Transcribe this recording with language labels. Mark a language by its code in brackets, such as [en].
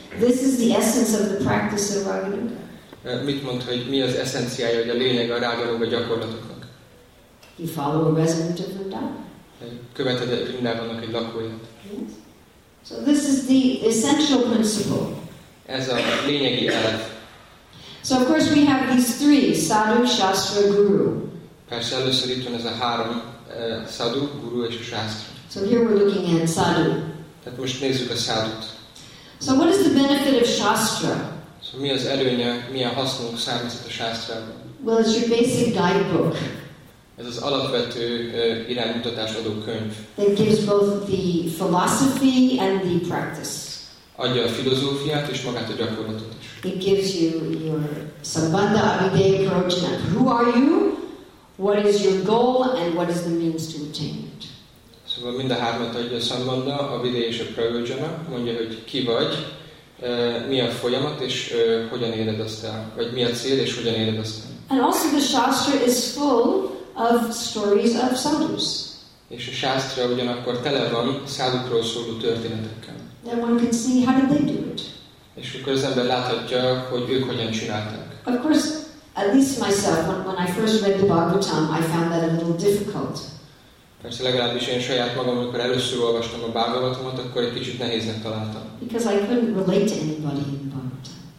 [en] This is the essence of the practice of Raghunuga. [hu] Mit mond, hogy mi az eszenciája, hogy a lényeg a Raghunuga gyakorlatoknak? [en] You follow a resident of Vrindavan. [hu] Követed Vrindavannak egy lakóját. [en] Yes. So this is the essential principle. [hu] Ez a lényegi elv. [en] So of course we have these three, sadhu, shastra, guru. [hu] Persze először itt van ez a három, sadhu, guru és a shastra. [en] So here we're looking at sadhu. [hu] Tehát most nézzük a szádut. [en] So what is the benefit of shastra? [hu] So mi az előnye, mi a hasznunk számít a shastrában? [en] Well, it's your basic guidebook. [hu] Ez az alapvető iránymutatás adó könyv. [en] That gives both the philosophy and the practice. [hu] Adja a filozófiát és magát a gyakorlatot is. [en] It gives you your sambandha abhidhaya prajna. Who are you? What is your goal? And what is the means to attain it? [hu] Szóval mind a hármat adja a szambanda, a vidé és a prajojana, mondja, hogy ki vagy, mi a folyamat, és hogyan éred azt el, vagy mi a cél, és hogyan éred azt el. [en] And also the shastra is full of stories of sadhus. [hu] És a shastra ugyanakkor tele van szádukról szóló történetekkel. [en] Then one can see how did they do it. [hu] És akkor az ember láthatja, hogy ők hogyan csinálták. [en] Of course, at least myself, when I first read the Bhagavatam, I found that a little difficult. [hu] Persze legalábbis én saját magam, amikor először olvastam a Bhagavatamot, akkor egy kicsit nehéznek találtam. [en] Because I couldn't relate to anybody in the Bhagavatam.